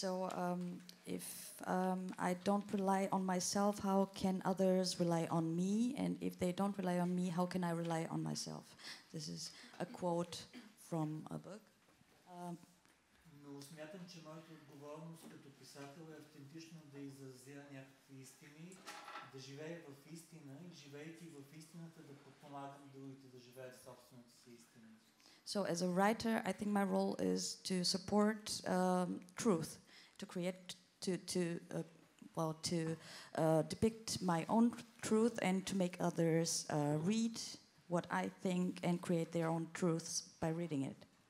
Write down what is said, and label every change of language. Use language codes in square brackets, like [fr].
[en] So if I don't rely on myself, how can others rely on me? And if they don't rely on me, how can I rely on myself? This is a quote from a book. [bg] Но смятам, че моята отговорност като писател е автентично да изразя някакви истини, да живея в истина и живейки в истината да подпомагам другите да живеят собствената си истина. [en] So as a writer, I think my role is to support truth, to create, to depict my own truth and to make others read what I think and create their own truths by reading it.